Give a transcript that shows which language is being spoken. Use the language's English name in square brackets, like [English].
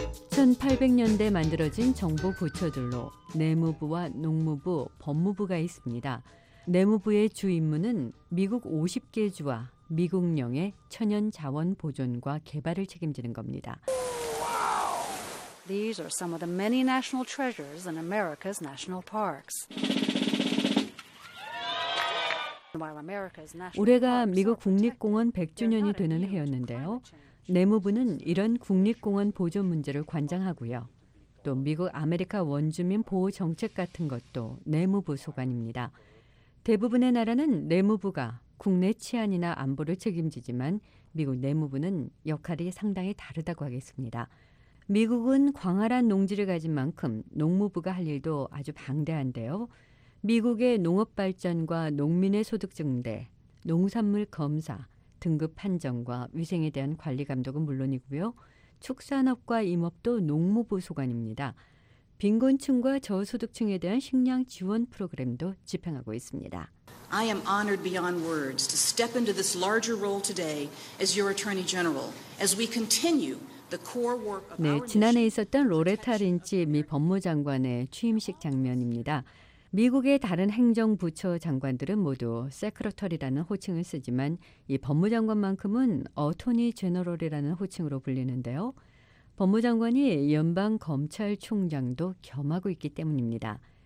[Korean] 1800년대 만들어진 정부 부처들로 내무부와 농무부, 법무부가 있습니다. 내무부의 주 임무는 미국 50개 주와 미국령의 천연 자원 보존과 개발을 책임지는 겁니다. [English] These are some of the many national treasures in America's national parks. [Korean] 올해가 미국 국립공원 100주년이 되는 해였는데요. 내무부는 이런 국립공원 보존 문제를 관장하고요. 또 미국 아메리카 원주민 보호 정책 같은 것도 내무부 소관입니다. 대부분의 나라는 내무부가 국내 치안이나 안보를 책임지지만 미국 내무부는 역할이 상당히 다르다고 하겠습니다. 미국은 광활한 농지를 가진 만큼 농무부가 할 일도 아주 방대한데요. 미국의 농업 발전과 농민의 소득 증대, 농산물 검사, 등급 판정과 위생에 대한 관리 감독은 물론이고요. 축산업과 임업도 농무부 소관입니다. 빈곤층과 저소득층에 대한 식량 지원 프로그램도 집행하고 있습니다. [English] I am honored beyond words to step into this larger role today as your Attorney General as we continue the core work of our [Korean] 네, 지난해 있었던 로레타 린치 미 법무장관의 취임식 장면입니다. 미국의 다른 행정부처 장관들은 모두 세크러터리라는 호칭을 쓰지만 이 법무장관만큼은 어토니 제너럴이라는 호칭으로 불리는데요. 법무장관이 연방검찰총장도 겸하고 있기 때문입니다.